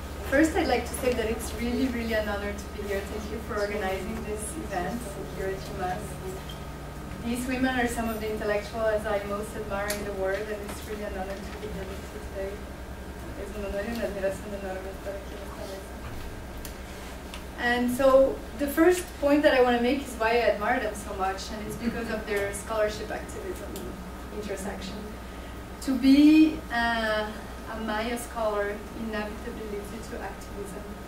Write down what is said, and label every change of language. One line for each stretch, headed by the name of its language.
English: First, I'd like to say that it's really, really an honor to be here. Thank you for organizing this event here at UMass. These women are some of the intellectuals I most admire in the world, and it's really an honor to be here with you today.
Spanish: Es un honor y una admiración enorme estar aquí en esta mesa.
English: And so the first point that I want to make is why I admire them so much, and it's because of their scholarship activism intersection. To be a Maya scholar inevitably leads you to activism.